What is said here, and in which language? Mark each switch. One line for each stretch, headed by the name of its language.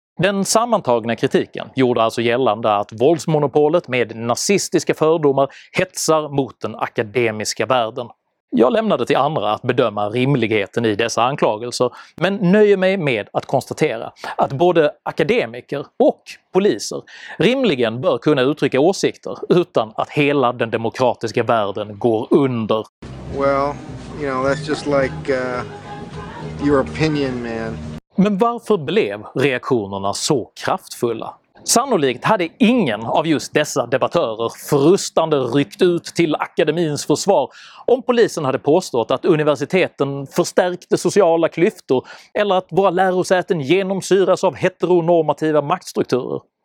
Swedish: Den sammantagna kritiken gjorde alltså gällande att våldsmonopolet med nazistiska fördomar hetsar mot den akademiska världen. Jag lämnade till andra att bedöma rimligheten i dessa anklagelser, men nöjer mig med att konstatera att både akademiker och poliser rimligen bör kunna uttrycka åsikter utan att hela den demokratiska världen går under.
English: Well, you know, that's just like your opinion, man.
Swedish: Men varför blev reaktionerna så kraftfulla? Sannolikt hade ingen av just dessa debattörer frustande ryckt ut till akademins försvar om polisen hade påstått att universiteten förstärkte sociala klyftor eller att våra lärosäten genomsyras av heteronormativa maktstrukturer.